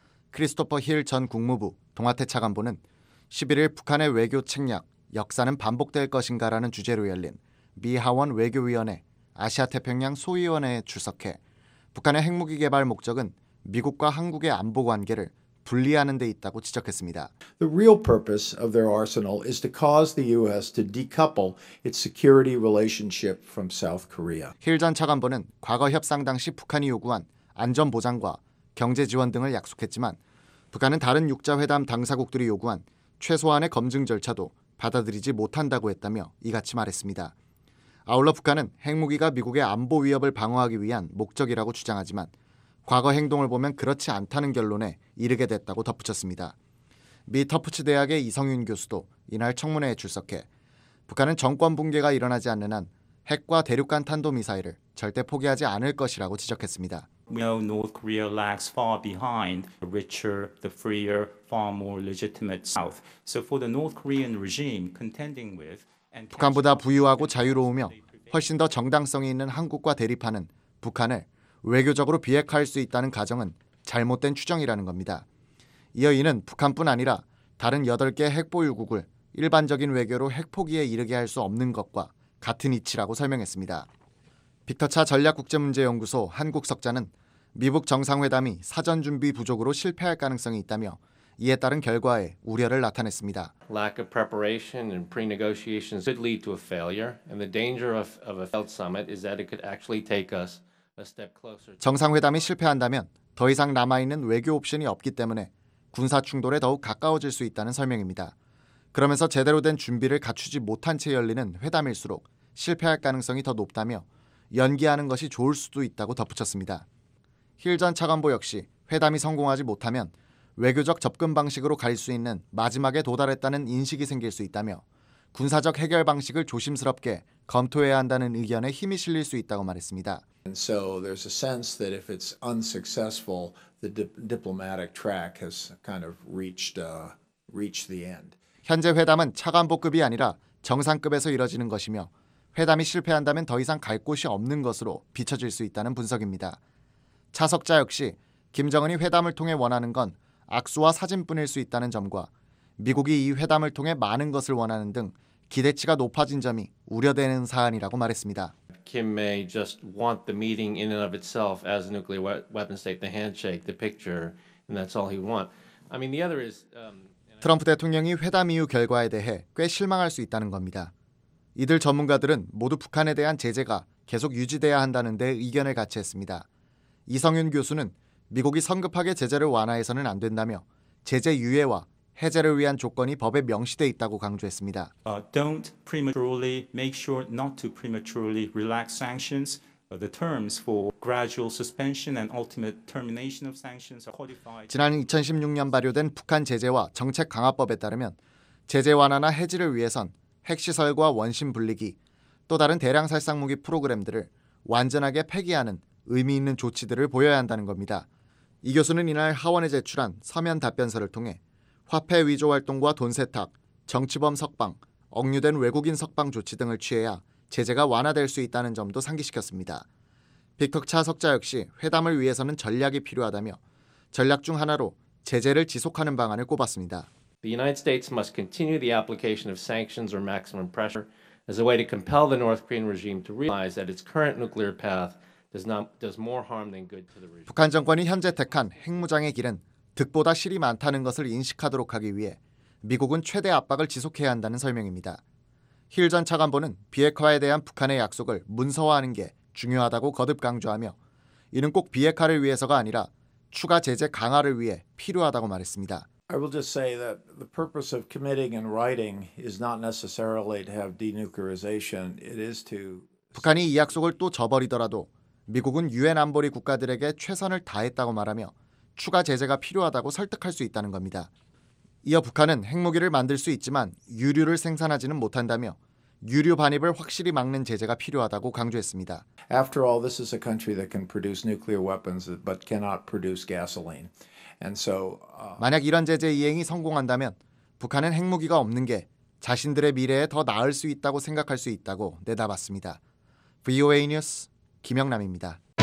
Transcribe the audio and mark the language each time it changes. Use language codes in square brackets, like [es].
[ko] 크리스토퍼 힐 전 국무부 동아태 차관보는 11일 북한의 외교 책략, 역사는 반복될 것인가라는 주제로 열린 미 하원 외교위원회 아시아태평양 소위원회에 출석해 북한의 핵무기 개발 목적은 미국과 한국의 안보 관계를 분리하는 데 있다고 지적했습니다. [en] The real purpose of their arsenal is to cause the U.S. to decouple its security relationship from South Korea. [ko] 힐 전 차관보는 과거 협상 당시 북한이 요구한 안전 보장과 경제 지원 등을 약속했지만 북한은 다른 6자 회담 당사국들이 요구한 최소한의 검증 절차도 받아들이지 못한다고 했다며 이같이 말했습니다. 아울러 북한은 핵무기가 미국의 안보 위협을 방어하기 위한 목적이라고 주장하지만 과거 행동을 보면 그렇지 않다는 결론에 이르게 됐다고 덧붙였습니다. 미 터프츠 대학의 이성윤 교수도 이날 청문회에 출석해 북한은 정권 붕괴가 일어나지 않는 한 핵과 대륙간 탄도미사일을 절대 포기하지 않을 것이라고 지적했습니다. [en] We know North Korea lags far behind the richer, the freer, far more legitimate South. So for the North Korean regime contending with [ko] and 북한보다 부유하고 자유로우며 훨씬 더 정당성이 있는 한국과 대립하는 북한을 외교적으로 비핵화할 수 있다는 가정은 잘못된 추정이라는 겁니다. 이어 이는 북한뿐 아니라 다른 8개 핵보유국을 일반적인 외교로 핵포기에 이르게 할 수 없는 것과 같은 이치라고 설명했습니다. 빅터 차 전략국제문제연구소 한국석자는 미북 정상회담이 사전 준비 부족으로 실패할 가능성이 있다며 이에 따른 결과에 우려를 나타냈습니다. [en] Lack of preparation and pre-negotiations could lead to a failure and the danger of a failed summit is that it could actually take us [ko] 정상회담이 실패한다면 더 이상 남아있는 외교 옵션이 없기 때문에 군사 충돌에 더욱 가까워질 수 있다는 설명입니다. 그러면서 제대로 된 준비를 갖추지 못한 채 열리는 회담일수록 실패할 가능성이 더 높다며 연기하는 것이 좋을 수도 있다고 덧붙였습니다. 힐 전 차관보 역시 회담이 성공하지 못하면 외교적 접근 방식으로 갈 수 있는 마지막에 도달했다는 인식이 생길 수 있다며 군사적 해결 방식을 조심스럽게 검토해야 한다는 의견에 힘이 실릴 수 있다고 말했습니다. [en] And so there's a sense that if it's unsuccessful, the diplomatic track has kind of reached the end. [ko] 현재 회담은 차관보급이 아니라 정상급에서 이뤄지는 것이며 회담이 실패한다면 더 이상 갈 곳이 없는 것으로 비춰질 수 있다는 분석입니다. 차석자 역시 김정은이 회담을 통해 원하는 건 악수와 사진뿐일 수 있다는 점과 미국이 이 회담을 통해 많은 것을 원하는 등 기대치가 높아진 점이 우려되는 사안이라고 말했습니다. [en] Kim may just want the meeting in and of itself as a nuclear weapon state, the handshake, the picture, and that's all he wants. I mean, the other is [ko] 트럼프 대통령이 회담 이후 결과에 대해 꽤 실망할 수 있다는 겁니다. 이들 전문가들은 모두 북한에 대한 제재가 계속 유지돼야 한다는 데 의견을 같이 했습니다. 이성윤 교수는 미국이 성급하게 제재를 완화해서는 안 된다며 제재 유예와 해제를 위한 조건이 법에 명시돼 있다고 강조했습니다. [en] Don't prematurely make sure not to prematurely relax sanctions. The terms for gradual suspension and ultimate termination of sanctions are codified. [ko] 지난 2016년 발효된 북한 제재와 정책 강화법에 따르면 제재 완화나 해지를 위해선 핵시설과 원심 불리기, 또 다른 대량 살상무기 프로그램들을 완전하게 폐기하는 의미 있는 조치들을 보여야 한다는 겁니다. 이 교수는 이날 하원에 제출한 서면 답변서를 통해 화폐 위조 활동과 돈 세탁, 정치범 석방, 억류된 외국인 석방 조치 등을 취해야 제재가 완화될 수 있다는 점도 상기시켰습니다. 빅터 차 석자 역시 회담을 위해서는 전략이 필요하다며 전략 중 하나로 제재를 지속하는 방안을 꼽았습니다. [en] The United States must continue the application of sanctions or maximum pressure as a way to compel the North Korean regime to realize that its current nuclear path does more harm than good to the regime. [ko] 북한 정권이 현재 택한 핵무장의 길은 득보다 실이 많다는 것을 인식하도록 하기 위해 미국은 최대 압박을 지속해야 한다는 설명입니다. 힐 전 차관보는 비핵화에 대한 북한의 약속을 문서화하는 게 중요하다고 거듭 강조하며 이는 꼭 비핵화를 위해서가 아니라 추가 제재 강화를 위해 필요하다고 말했습니다. [en] I will just say that the purpose of committing in writing is not necessarily to have denuclearization. It is to [ko] 북한이 이 약속을 또 저버리더라도 미국은 유엔 안보리 국가들에게 최선을 다했다고 말하며 추가 제재가 필요하다고 설득할 수 있다는 겁니다. 이어 북한은 핵무기를 만들 수 있지만 유류를 생산하지는 못한다며 유류 반입을 확실히 막는 제재가 필요하다고 강조했습니다. [en] After all, this is a country that can produce nuclear weapons but cannot produce gasoline. And so [ko] 만약 이런 제재 이행이 성공한다면 북한은 핵무기가 없는 게 자신들의 미래에 더 나을 수 있다고 생각할 수 있다고 내다봤습니다. VOA 뉴스 김영남입니다.